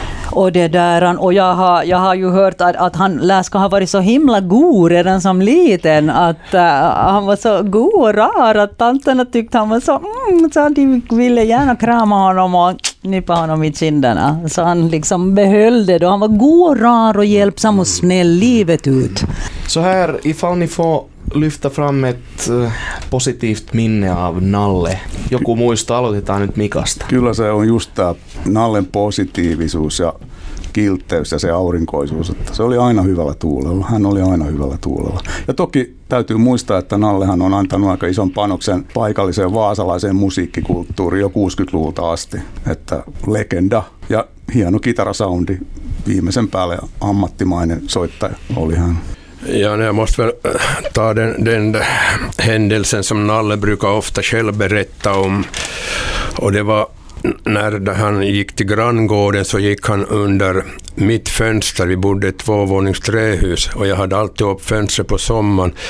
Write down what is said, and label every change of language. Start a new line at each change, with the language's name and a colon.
Swedish: Och det där, och jag har ju hört att han ska ha varit så himla god redan som liten, att han var så god och rar, att tanterna tyckte han var så han ville gärna krama honom och nypa honom i kinderna. Så han liksom behöll det, och han var god och rar och hjälpsam och snäll livet ut. Så här, ifall ni får lyfta fram ett positivt minne av Nalle.
Finnish: Joku muista, aloitetaan nyt Mikasta. Kyllä se on just tämä Nallen positiivisuus ja kiltteys ja se aurinkoisuus. Että se oli aina hyvällä tuulella. Hän oli aina hyvällä tuulella. Ja toki täytyy muistaa, että Nallehan on antanut aika ison panoksen paikalliseen vaasalaiseen musiikkikulttuuriin jo 60-luvulta asti. Että legenda ja hieno kitarasoundi. Viimeisen päälle ammattimainen soittaja oli hän.
Swedish: Ja, jag måste väl ta den händelsen som Nalle brukar ofta själv berätta om. Och det var när han gick till granngården, så gick han under mitt fönster. Vi bodde ett tvåvåningsträhus och jag hade alltid upp fönstret på sommaren.